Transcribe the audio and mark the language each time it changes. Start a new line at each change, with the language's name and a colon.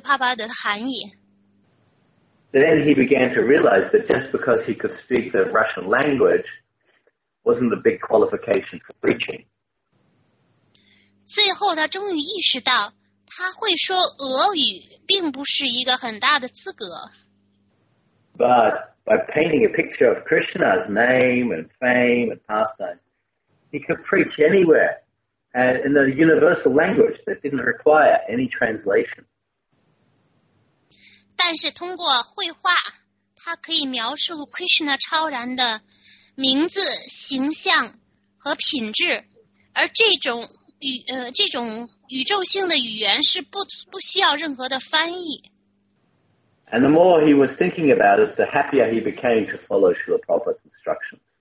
Chinese: 但是圣帕帕德的一番话语就在他的脑海中不停地回响。最后，他终于明白了圣帕帕德的含义。
English: Then he began to realize that just because he could speak the Russian language wasn't a big qualification for preaching.
Chinese: 最后他终于意识到，他会说俄语并不是一个很大的资格。
English: But by painting a picture of Krishna's name and fame and pastimes, he could preach anywhere and in a universal language that didn't require any translation.
Chinese: 但是通过绘画，他可以描述 Krishna 超然的名字、形象和品质，而这种。这种宇宙性的语言是不需要任何的翻译。
English: And the more he was thinking about it, the happier he became to follow Srila Prabhupada's instructions.